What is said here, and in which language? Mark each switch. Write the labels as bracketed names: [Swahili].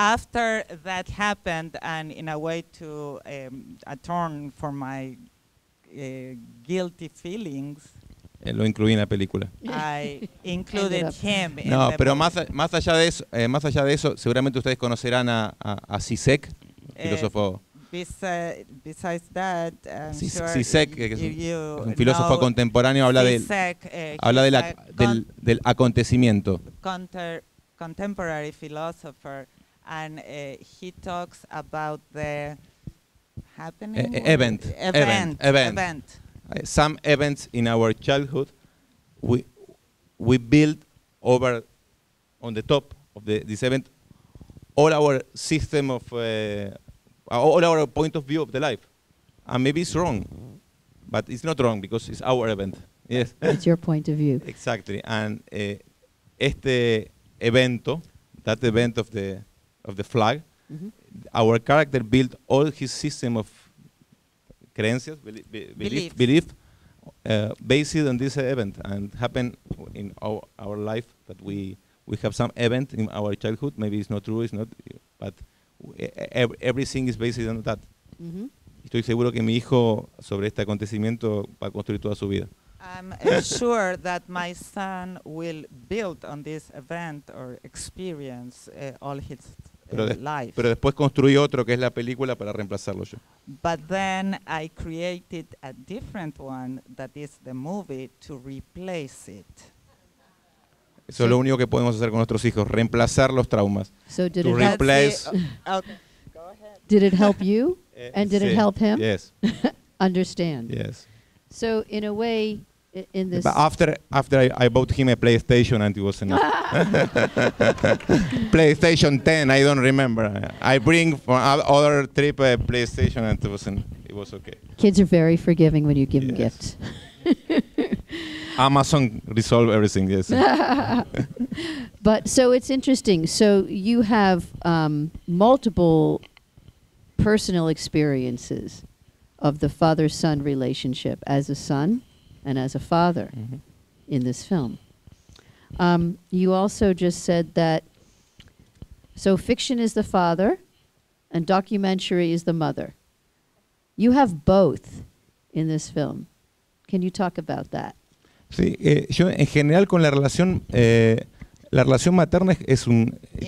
[English] After that happened and in a way to atone for my guilty feelings. [Spanish] Lo incluí en la película. [English] I included him. [Spanish] No, pero más allá de eso, más allá de eso, seguramente ustedes conocerán a Zizek, filósofo. [English] Besides that, Zizek, sure [Spanish] es un filósofo contemporáneo, habla de habla de del acontecimiento. [English] Contemporary philosopher, and he talks about the happening. Event. Some events in our childhood, we built over on the top of this event all our system of all our point of view of the life, and maybe it's wrong, but it's not wrong because it's our event. Yes, it's your point of view. Exactly, and [Spanish] este evento, [English] that event of the flag, mm-hmm. Our character built all his system of creencias, belief. Based on this event and happened in our life, that we have some event in our childhood. Maybe it's not true, it's not, but everything is based on that. Mm-hmm. [Spanish] Estoy seguro que mi hijo sobre este acontecimiento va a construir toda su vida. [English] I'm sure that my son will build on this event or experience all his life. [Spanish] Pero después construí otro que es la película para reemplazarlo yo. [English] But then I created a different one that is the movie to replace it. [Spanish] Eso es lo único que podemos hacer con nuestros hijos, reemplazar los traumas. [English] So did to it replace. Did it help you? And did [Spanish] sí. [English] It help him? Yes. Understand. Yes. So in a way, in this. But after I bought him a PlayStation and it was enough. PlayStation 10, I don't remember. I bring from other trip a PlayStation and it was okay. Kids are very forgiving when you give them gifts. Amazon resolve everything, yes. But so it's interesting. So you have multiple personal experiences of the father-son relationship as a son and as a father, mm-hmm. in this film. You also just said that, so fiction is the father and documentary is the mother. You have both in this film. Can you talk about that? [Spanish] Sí, yo en general con la relación materna es un...